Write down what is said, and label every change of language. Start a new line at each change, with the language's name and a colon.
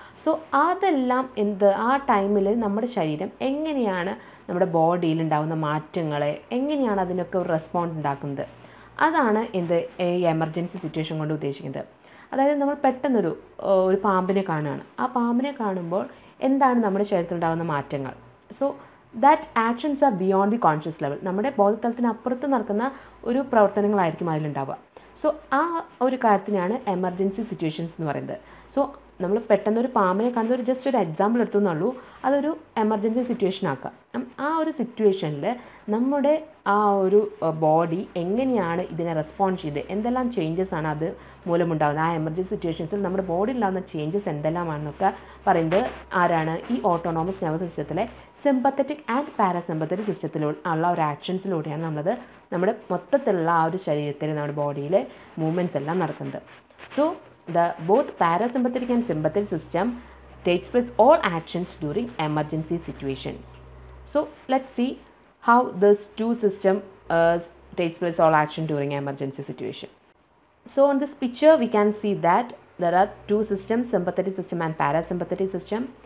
Malayalam: So അതെല്ലാം എന്ത് ആ ടൈമിൽ നമ്മുടെ ശരീരം എങ്ങനെയാണ് നമ്മുടെ ബോഡിയിൽ ഉണ്ടാകുന്ന മാറ്റങ്ങളെ എങ്ങനെയാണ് അതിനൊക്കെ ഒരു റെസ്പോണ്ട് ഉണ്ടാക്കുന്നത്, അതാണ് എന്ത് ഈ എമർജൻസി സിറ്റുവേഷൻ കൊണ്ട് ഉദ്ദേശിക്കുന്നത്. അതായത് നമ്മൾ പെട്ടെന്നൊരു ഒരു പാമ്പിനെ കാണുകയാണ്, ആ പാമ്പിനെ കാണുമ്പോൾ എന്താണ് നമ്മുടെ ശരീരത്തിൽ ഉണ്ടാകുന്ന മാറ്റങ്ങൾ.
English: So that actions are beyond the conscious level.
Malayalam: നമ്മുടെ ബോധതലത്തിന് അപ്പുറത്ത് നടക്കുന്ന ഒരു പ്രവർത്തനങ്ങളായിരിക്കും അതിലുണ്ടാവുക. സോ ആ ഒരു കാര്യത്തിനാണ് എമർജൻസി സിറ്റുവേഷൻസ് എന്ന് പറയുന്നത്. സോ നമ്മൾ പെട്ടെന്നൊരു പാമ്പിനെ കണ്ടത് ഒരു ജസ്റ്റ് ഒരു എക്സാമ്പിൾ എടുത്തുന്നുള്ളൂ, അതൊരു എമർജൻസി സിറ്റുവേഷൻ ആക്കാം. ആ ഒരു സിറ്റുവേഷനിൽ നമ്മുടെ ആ ഒരു ബോഡി എങ്ങനെയാണ് ഇതിനെ റെസ്പോണ്ട് ചെയ്ത്, എന്തെല്ലാം ചേഞ്ചസാണ് അത് മൂലമുണ്ടാകുന്നത്, ആ എമർജൻസി സിറ്റുവേഷൻസിൽ നമ്മുടെ ബോഡിയിൽ ഉണ്ടാകുന്ന ചേഞ്ചസ് എന്തെല്ലാമാണെന്നൊക്കെ പറയുന്നത് ആരാണ്, ഈ ഓട്ടോണോമസ് നെർവ് സിസ്റ്റത്തിലെ സിമ്പത്തറ്റിക് ആൻഡ് പാരസിമ്പത്തറ്റിക് സിസ്റ്റത്തിലൂടെ ഉള്ള ഒരു ആക്ഷൻസിലൂടെയാണ് നമ്മളത് നമ്മുടെ മൊത്തത്തിലുള്ള ആ ഒരു ശരീരത്തിൽ നമ്മുടെ ബോഡിയിലെ മൂവ്മെൻറ്റ്സ് എല്ലാം നടക്കുന്നത്.
English: So the both parasympathetic and sympathetic system takes place all actions during emergency situations. So let's see how this two system takes place all action during emergency situation. So on this picture we can see that there are two systems, sympathetic system and parasympathetic system.